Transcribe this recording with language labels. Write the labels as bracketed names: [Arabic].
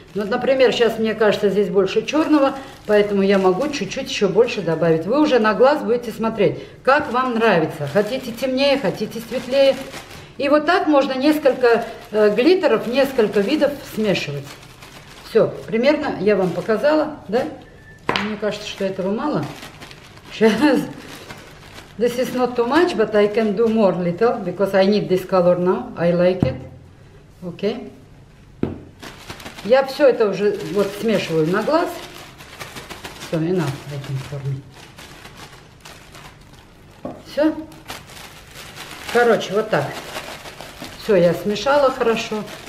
[Russian] Вот, например, сейчас мне кажется, здесь больше черного, поэтому я могу чуть-чуть еще больше добавить. Вы уже на глаз будете смотреть, как вам нравится. Хотите темнее, хотите светлее. И вот так можно несколько глиттеров, несколько видов смешивать. Все, примерно я вам показала, да? Мне кажется, что этого мало. Сейчас. [English] This is not too much, but I can do more little, because I need this color now. I like it. Okay. [Russian] Я все это уже вот смешиваю на глаз. Все, [English] enough, I think, for me. [Russian] Все. Короче, вот так. Все, я смешала хорошо.